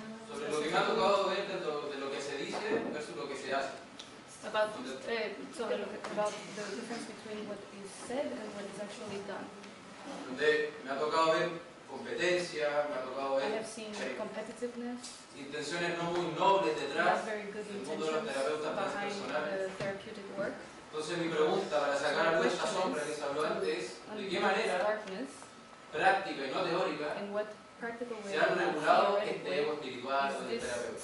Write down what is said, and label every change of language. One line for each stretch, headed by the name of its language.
Spanish: Sobre lo que me ha tocado ver de lo que se dice versus lo que se hace.
English: About the difference between what is said and what is actually done.
Spanish: Donde me ha tocado ver competencia, me ha tocado ver.
English: I have seen competitiveness.
Spanish: Intenciones no muy nobles detrás.
English: Not very good intentions behind the therapeutic work.
Spanish: Entonces mi pregunta para sacar a luz esta sombra que se habló antes, ¿de qué manera práctica y no teórica se han regulado este ego espiritual o del terapeuta?